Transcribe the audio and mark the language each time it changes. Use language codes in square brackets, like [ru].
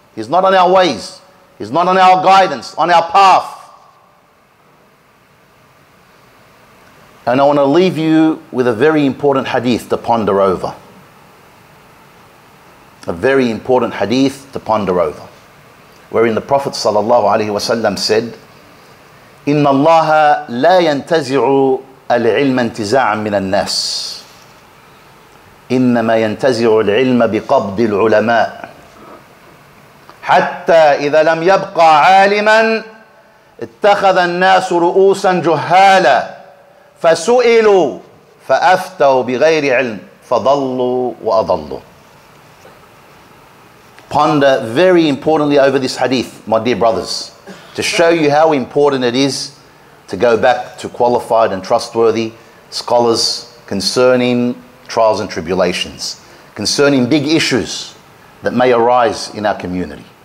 [en] He's not on our ways. He's not on our guidance, on our path. And I want to leave you with a very important hadith to ponder over. A very important hadith to ponder over. Wherein the Prophet sallallahu alaihi wasallam said, [ar] إِنَّ اللَّهَ لَا يَنْتَزِعُ الْعِلْمَ انْتِزَاعًا مِنَ النَّاسِ إِنَّمَا يَنْتَزِعُ الْعِلْمَ بِقَبْضِ الْعُلَمَاءِ حتى إذا لم يبقى عالما اتخذ الناس رؤوسا جهالا فسئلوا فأفتوا بغير علم فضلوا وأضلوا. [en] Ponder very importantly over this hadith, my dear brothers, to show you how important it is to go back to qualified and trustworthy scholars concerning trials and tribulations, concerning big issues that may arise in our community.